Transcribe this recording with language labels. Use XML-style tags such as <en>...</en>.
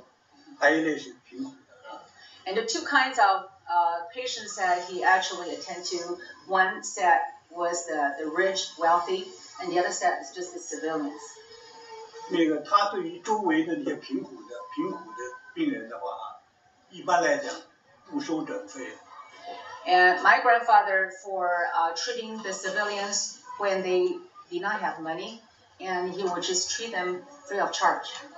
<zh>因为他看着病人有两类，一类就是上层的，还有一类是贫苦的。</zh> <en>And the two kinds of patients that he actually attended to, one set was the rich, wealthy, and the other set is just the civilians.</en> <zh>那个他对于周围的那些贫苦的病人的话，一般来讲不收诊费。</zh> <en>And my grandfather for treating the civilians when they did not have money, and he would just treat them free of charge.</en>